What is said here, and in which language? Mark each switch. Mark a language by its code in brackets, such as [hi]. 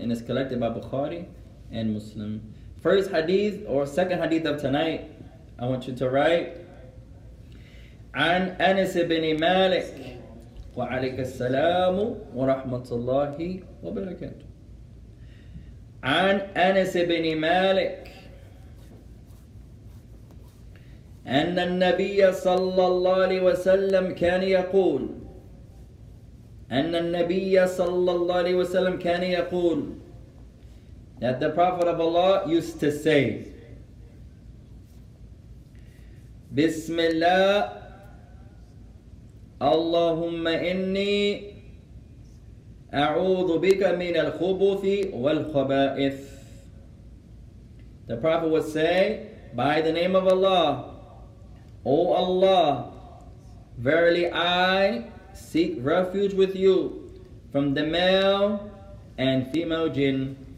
[en] And it's collected by Bukhari and Muslim. First hadith or second hadith of tonight, I want you to write. [ar] عن أنس بن مالك وعليك السلام ورحمة الله وبركاته. عن أنس بن مالك أن النبي صلى الله عليه وسلم كان يقول [en] that the Prophet of Allah used to say [ar] Bismillah اللهم إني أعوذ بك من الخبث والخبائث. [en] The Prophet would say, by the name of Allah, O Allah, verily I seek refuge with you from the male and female jinn.